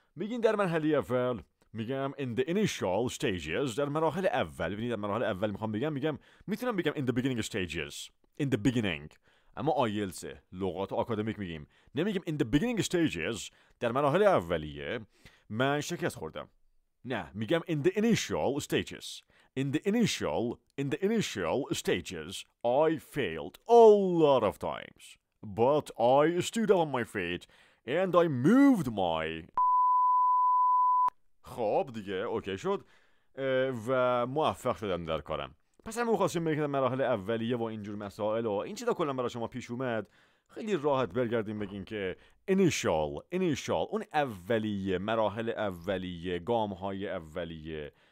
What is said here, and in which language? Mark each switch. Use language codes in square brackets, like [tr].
[fa] میگین در مرحله اول، میگم [en] in the initial stages، [fa] در مراحل اول. ببینید در مراحل اول میخوام بگم، میگم میتونم بگم [en] in the beginning stages، in the beginning، [fa] اما IELTS لغات آکادمیک میگیم، نمیگیم in the beginning stages، در مراحل اولیه من شکست خوردم. نه، میگم [en] in the initial stages، in the initial، in the initial stages I failed a lot of times but I stood up on my feet and I moved my. [fa] خب دیگه اوکی شد و موفق شدم در کارم. پس همون خواستیم بگید مراحل اولیه و اینجور مسائل و این چیزا کلا برای شما پیش اومد، خیلی راحت برگردیم بگین که initial، initial، اون اولیه، مراحل اولیه، گام های اولیه.